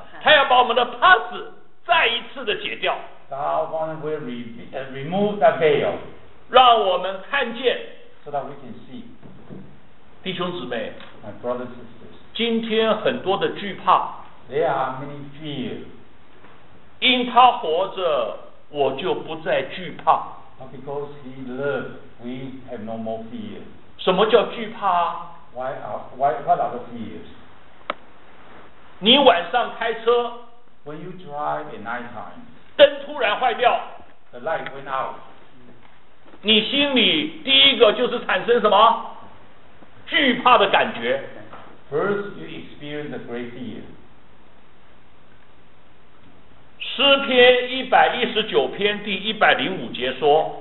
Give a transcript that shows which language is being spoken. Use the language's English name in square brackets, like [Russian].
[Chinese] 他要把我们的 pass 再一次的解掉。 [English] God wants to remove that veil. [Chinese] 让我们看见。 [English] So that we can see. [Chinese] 弟兄姊妹。 [English] My brothers and sisters. [Chinese] 今天很多的惧怕。 [English] There are many fears. [Chinese] 因他活着。我就不再惧怕。 [English] Because he lived, we have no more fear. [Chinese] 什么叫惧怕？ [English] What are the fears? [Chinese] 你晚上开车。 [English] When you drive at night time. [Chinese] 灯突然坏掉。 [English] The light went out. [Chinese] 你心里第一个就是产生什么？惧怕的感觉。 [English] First, you experience a great fear. [Chinese] 诗篇一百一十九篇第一百零五节说